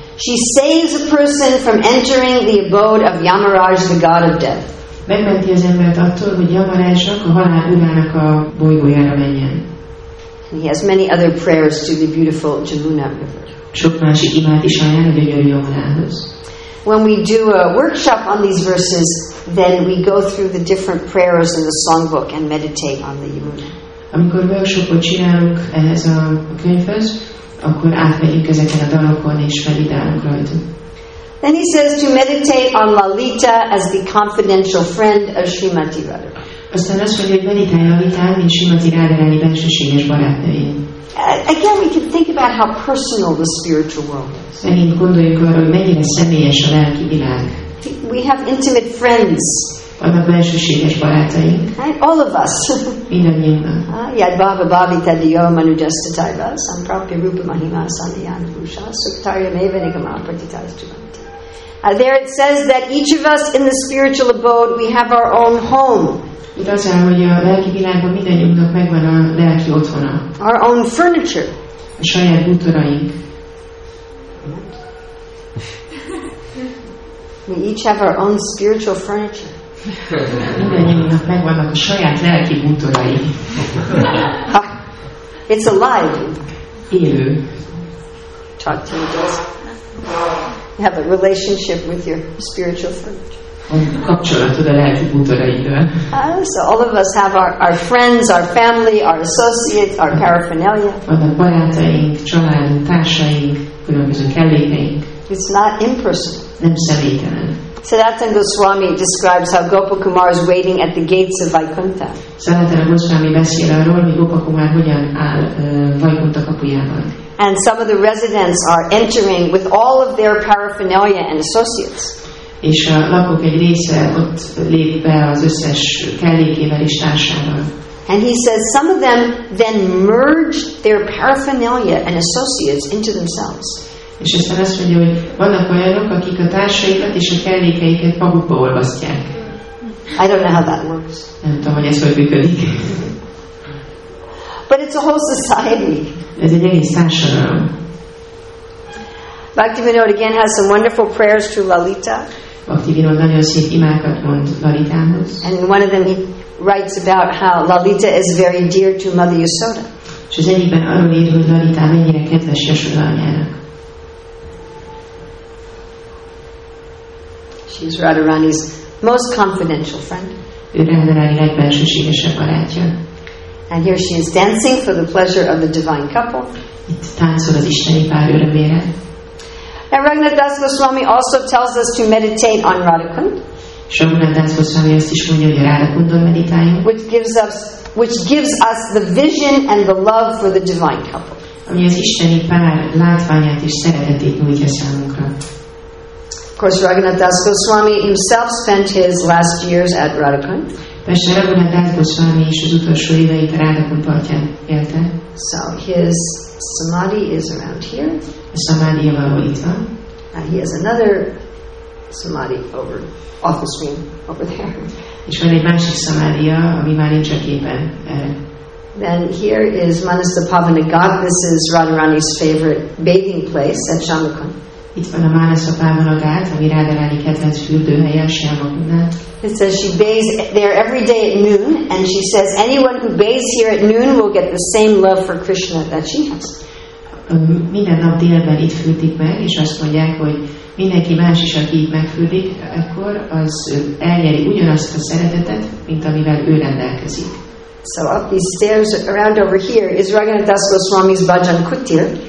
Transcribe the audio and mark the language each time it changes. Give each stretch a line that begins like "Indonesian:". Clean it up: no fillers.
English: She saves a person from entering the abode of Yamaraj, the god of death.
Hungarian: Megmenti az embert attól, hogy Yamarajnak, a halál urának a bolygójára menjen.
English: He has many other prayers to the beautiful Jamuna River.
Hungarian: Sok másik imád is ajánl a gyönyörű Jamunához.
English: When we do a workshop on these verses, then we go through the different prayers in the songbook and meditate on the Jamuna.
Hungarian: Amikor workshopot csinálunk ehhez a könyvhöz, akkor átmegyünk ezeken a dalokon és meditálunk rajta.
English: Then he says to meditate on Lalita as the confidential friend of Srimati Radha.
Hungarian: Aztán azt mondja, hogy meditálj Lalitán, mint Srimati Radharani bensőséges barátnőjén.
English: Again, we can think about how personal the spiritual world is.
Hungarian: Megint gondoljuk arra, hogy mennyire személyes a lelki világ.
English: We have intimate friends.
Hungarian: Vannak bensőséges barátaink.
English: Right? All of us.
Hungarian: Mindannyiunknak.
Sanskrit: Yad bhava bhavita diyo manu jasta taiva samprapya rupa mahima sandhyan bhusha suktarya meva nigama pratitas jivanti.
English: There it says that each of us in the spiritual abode we have our own home.
Hungarian: Itt az áll, hogy a lelki világban mindannyiunknak megvan a lelki otthona.
English: Our own furniture.
Hungarian: A saját bútoraink.
English: We each have our own spiritual furniture.
Hungarian: Mindannyiunknak megvannak a saját lelki bútorai.
English: It's alive.
Hungarian: Élő.
English: Talk to me, girls. You have a relationship with your spiritual furniture.
Hungarian: Kapcsolatod a lelki bútoraiddal.
English: So all of us have our friends, our family, our associates, our paraphernalia.
Hungarian: Vannak barátaink, családunk, társaink, különböző kellékeink.
English: It's not impersonal.
Hungarian: nem személytelen.
English: Sanatana Goswami describes how Gopa Kumar is waiting at the gates of Vaikuntha.
Hungarian: Sanatana Goswami beszél arról, hogy Gopa Kumar hogyan áll Vaikuntha kapujában.
English: And some of the residents are entering with all of their paraphernalia and associates.
Hungarian: És a lakók egy része ott lép be az összes kellékével és társával.
English: And he says some of them then merge their paraphernalia and associates into themselves.
Hungarian: És aztán azt mondja, hogy vannak olyanok, akik a társaikat és a kellékeiket magukba olvasztják.
English: I don't know how that works.
Hungarian: Nem tudom, hogy ez hogy működik.
English: But it's a whole society.
Hungarian: Ez egy egész társadalom.
English: Bhaktivinoda again has some wonderful prayers to Lalita.
Hungarian: Bhaktivinoda nagyon szép imákat mond Lalitához.
English: And in one of them he writes about how Lalita is very dear to Mother Yasoda.
Hungarian: És az egyikben arról ír, hogy Lalita mennyire kedves Yasoda anyának.
English: She's Radharani's most confidential friend.
Hungarian: Ő Radharani legbensőségesebb barátja.
English: And here she is dancing for the pleasure of the divine couple.
Hungarian: Itt táncol az isteni pár örömére.
English: And Raghunath Das Goswami also tells us to meditate on Radhakund.
Hungarian: Raghunath Das Goswami azt is mondja, hogy Radhakundon meditáljunk.
English: Which gives us the vision and the love for the divine couple.
Hungarian: Ami az isteni pár látványát és szeretetét nyújtja számunkra.
English: Of course, Raghunath Das Goswami himself spent his last years at Radhakund.
Hungarian: Persze Raghunath Das Goswami is az utolsó éveit a Radhakund partján élte.
English: So his samadhi is around here.
Hungarian: A samadhi valahol itt van.
English: And he has another samadhi over off the screen over there.
Hungarian: És van egy másik samadhi, ami már nincs a képen.
English: Then here is Manasapavanagat. This is Radharani's favorite bathing place at Shyamakund.
Hungarian: Itt van a Manasapavanagat, ami Radharani kedvenc fürdőhelye Shyamakundnál.
English: It says she bathes there every day at noon, and she says anyone who bathes here at noon will get the same love for Krishna that she has.
Hungarian: Minden nap délben itt fürdik meg, és azt mondják, hogy mindenki más is, aki itt megfürdik, akkor az elnyeri ugyanazt a szeretetet, mint amivel ő rendelkezik.
English: So up these stairs around over here is Raghunath Das Goswami's Bhajan Kutir.